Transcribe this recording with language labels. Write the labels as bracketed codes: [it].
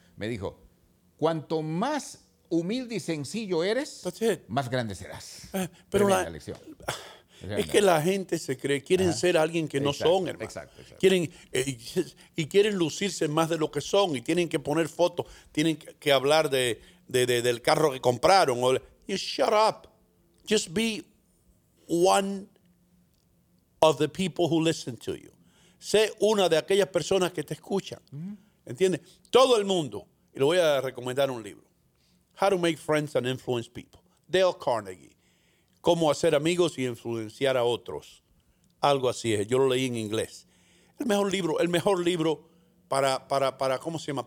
[es] Me dijo, cuanto más humilde y sencillo eres, más grande serás. Pero la lección. Es que la gente se cree, quieren Ajá. ser alguien que no exacto, son, hermano. Exacto. Quieren, y quieren lucirse más de lo que son y tienen que poner fotos, tienen que hablar del carro que compraron. [en] O, you shut up. Just be one of the people who listen to you. [es] Sé una de aquellas personas que te escuchan. ¿Entiendes? Todo el mundo, y le voy a recomendar un libro, How to Make Friends and Influence People, Dale Carnegie. Cómo hacer amigos y influenciar a otros. Algo así es. Yo lo leí en inglés. El mejor libro para ¿cómo se llama?